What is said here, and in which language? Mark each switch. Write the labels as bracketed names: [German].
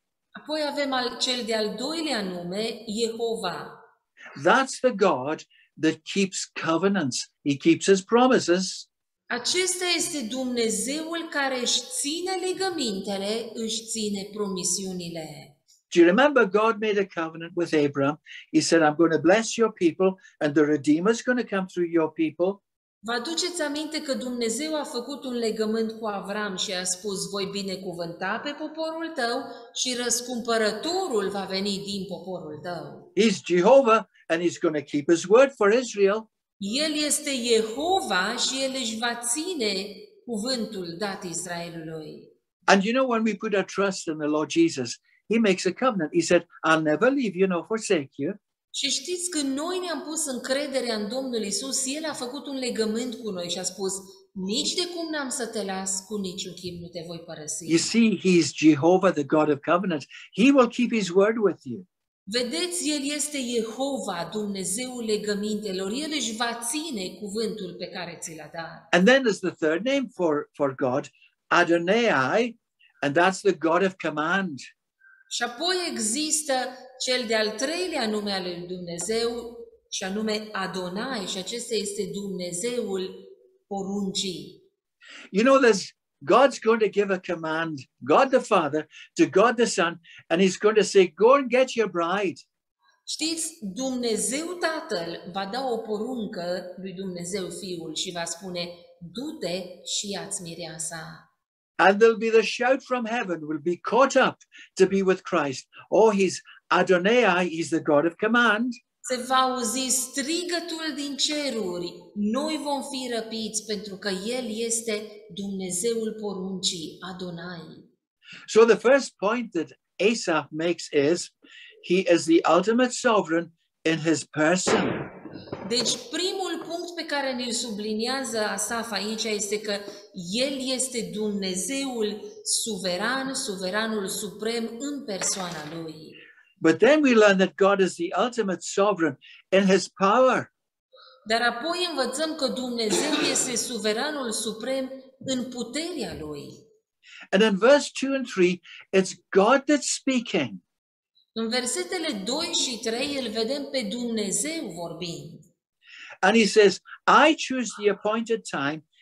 [Romanian] Apoi avem cel de-al doilea nume, Jehovah. [English] That's the God that keeps covenants. He keeps his promises. [Romanian] Acesta este Dumnezeul care își ține legămintele, își ține promisiunile. [English] Do you remember God made a covenant with Abraham? He said, I'm going to bless your people and the Redeemer is going to come through your people. [Romanian] Vă aduceți aminte că Dumnezeu a făcut un legământ cu Avram și a spus, voi binecuvânta pe poporul tău și răscumpărătorul va veni din poporul tău. [English] He's Jehovah and he's going to keep his word for Israel. [Romanian] El este Jehova și el își va ține cuvântul dat Israelului. [English] And you know, when we put our trust in the Lord Jesus, he makes a covenant. He said, I'll never leave you nor forsake you. [Romanian] Și știți că noi ne-am pus încrederea în Domnul Iisus, El a făcut un legământ cu noi și a spus, nici de cum n-am să te las, cu niciun chip nu te voi părăsi. [English] You see, he is Jehovah, the God of covenants. He will keep his word with you. [Romanian] Vedeți, El este Jehova, Dumnezeul legămintelor. El își va ține cuvântul pe care ți l-a dat. [English] And then there's the third name for God, Adonai, and that's the God of command. [Romanian] Și apoi există cel de-al treilea nume al lui Dumnezeu, și anume Adonai, și acesta este Dumnezeul poruncii. [English] You know, there's God's going to give a command, God the Father, to God the Son, and he's going to say, go and get your bride. [Romanian] Știți, Dumnezeu Tatăl va da o poruncă lui Dumnezeu Fiul și va spune, du-te și ia-ți mireasa. [English] And there'll be the shout from heaven, will be caught up to be with Christ. Or his Adonai, he's the God of command. [Romanian] Se va auzi strigătul din ceruri. Noi vom fi răpiți pentru că El este Dumnezeul poruncii, Adonai. [English] So the first point that Asaf makes is, he is the ultimate sovereign in his person. [Romanian] Deci primul punct pe care ne-l subliniază Asaf aici este că El este Dumnezeul suveran, suveranul suprem în persoana Lui. [English] But then we learn that God is the ultimate sovereign in his power. [Romanian] Dar apoi învățăm că Dumnezeu este suveranul suprem în puterea Lui. [English] And in verse 2 and 3, it's God that's speaking. [Romanian] În versetele 2 și 3 îl vedem pe Dumnezeu vorbind. [English] And he says, I choose the appointed time.